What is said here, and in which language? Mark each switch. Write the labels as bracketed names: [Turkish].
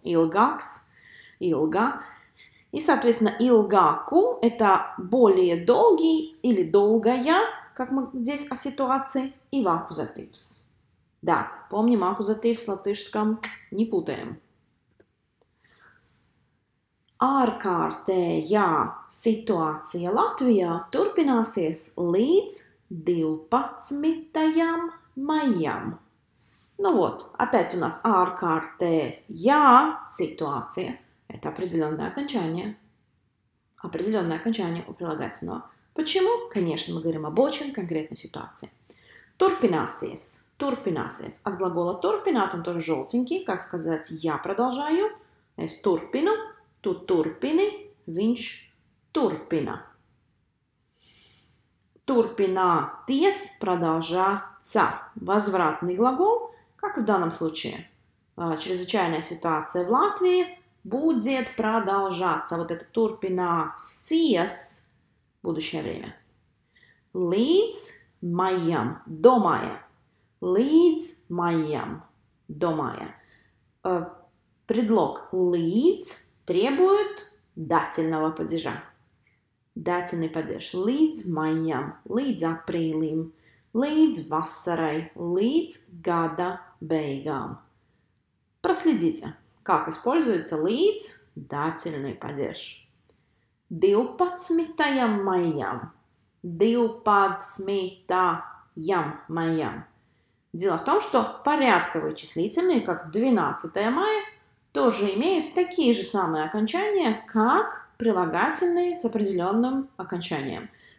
[Latvian] Илгакс – илга. [Russian] И, соответственно, илгаку – это более долгий или долгая, как мы здесь о ситуации, и в акузативс. Да, помним, акузативс в латышском не путаем. [Latvian] Ārkārtējā situācija Latvijā turpināsies līdz 12. maijam. Nu, [Russian] вот, опять у нас [Latvian] ārkārtējā situācija. [Russian] Это определённое окончание. Определённое окончание у прилагательного. Почему? Конечно, мы говорим об очень конкретной ситуации. [Latvian] Turpināsies. Turpināsies. [Russian] От глагола [Latvian] turpināt, [Russian] он тоже жёлтенький. Как сказать «я продолжаю»? [Latvian] Es turpinu. Tu turpini, viņš turpina. Turpināties, [Russian] продолжаться. Возвратный глагол, как в данном случае. Чрезвычайная ситуация в Латвии будет продолжаться. Вот это [Latvian] turpināsies, [Russian] будущее время. [Latvian] Līdz maijam, [Russian] до мая. [Latvian] Līdz maijam, до мая. [Russian] Предлог līdz требует дательного падежа. Дательный падеж. [Latvian] Līdz maijam, līdz aprīlim, līdz vasarai, līdz gada beigām. [Russian] Проследите, как используется līdz дательный падеж. [Latvian] 12. maijam. 12. maijam. [Russian] Дело в том, что порядковые числительные, как 12 мая, тоже имеют такие же самые окончания, как прилагательные с определенным окончанием.